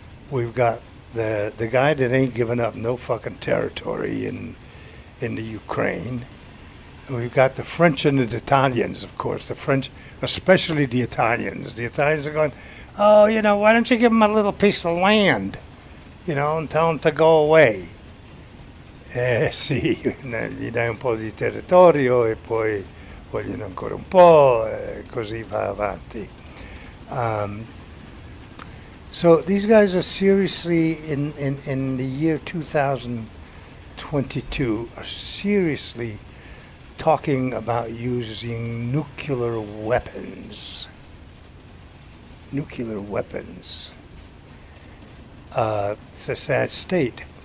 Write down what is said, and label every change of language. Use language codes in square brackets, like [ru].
[en] We've got the guy that ain't giving up no fucking territory in the Ukraine. We've got the French and the Italians, of course. The French, especially the Italians. The Italians are going, oh, you know, why don't you give them a little piece of land, you know, and tell them to go away. [it] Eh, sì, gli dai un po' di territorio e poi vogliono ancora un po', e così va avanti. [en] So these guys are seriously, in the year 2022, are seriously talking about using nuclear weapons. Nuclear weapons. It's a sad state.